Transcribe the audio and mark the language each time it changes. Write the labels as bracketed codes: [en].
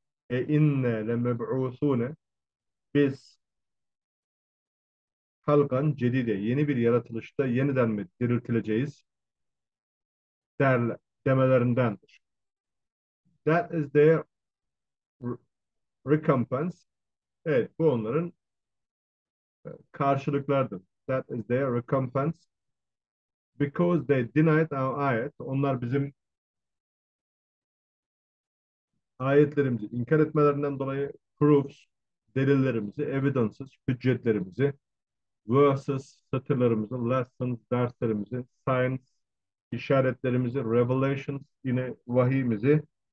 [ar] İnne lemeb'usune, [tr] biz [ar] halkan cedide, [tr] yeni bir yaratılışta yeniden mi diriltileceğiz demelerindendir. [en] That is the recompense. [tr] Evet, bu onların karşılıklardır. [en] That is their recompense. Because they denied our ayet. [tr] Onlar bizim ayetlerimizi inkar etmelerinden dolayı, [en] proofs, [tr] delillerimizi, [en] evidences, [tr] hüccetlerimizi, [en] verses, [tr] satırlarımızı, [en] lessons, [tr] derslerimizi, [en] signs, [tr] işaretlerimizi, [en] revelations, [tr] yine vahiyimizi,